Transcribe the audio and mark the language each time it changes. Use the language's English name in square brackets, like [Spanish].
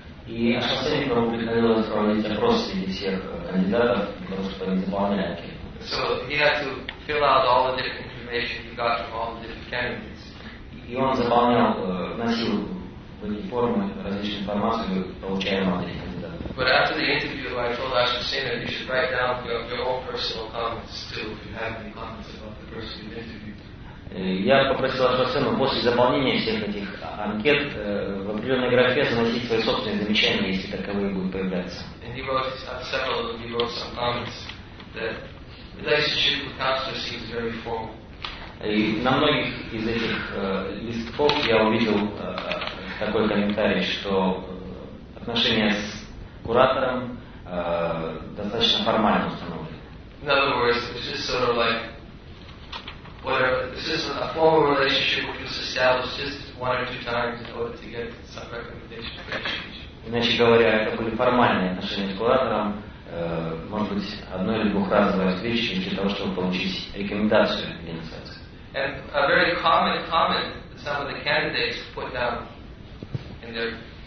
[Russian] И Ашва Сейна приходилось проводить опросы всех кандидатов, просто чтобы заполнять анкеты. [English] So he had to fill out all the different information he got from all the different candidates. [Russian] И он заполнял, носил формы, различные информации, получаемые от этих кандидатов. [English] But after the interview, I told Ashwa Sena, you should write down your own personal comments too, if you have any comments about the person you interviewed. [Russian] Я попросил Ашва Сену после заполнения всех этих анкет в определенной графе заносить свои собственные замечания, если таковые будут появляться. [English] And he wrote several of them, he wrote some comments that relationship with counselors seems very formal. [Russian] И на многих из этих листков я увидел такой комментарий, что отношения с куратором достаточно формально установлены. [English] In other words, it's just sort of like whatever, this is a formal relationship which was established just one or two times in order to get some recommendation for change. [Russian] Иначе говоря, это были формальные отношения с куратором, может быть, одно или двухразовая встреча для того, чтобы получить рекомендацию от инициации. [English] And a very common comment that some of the candidates put down in their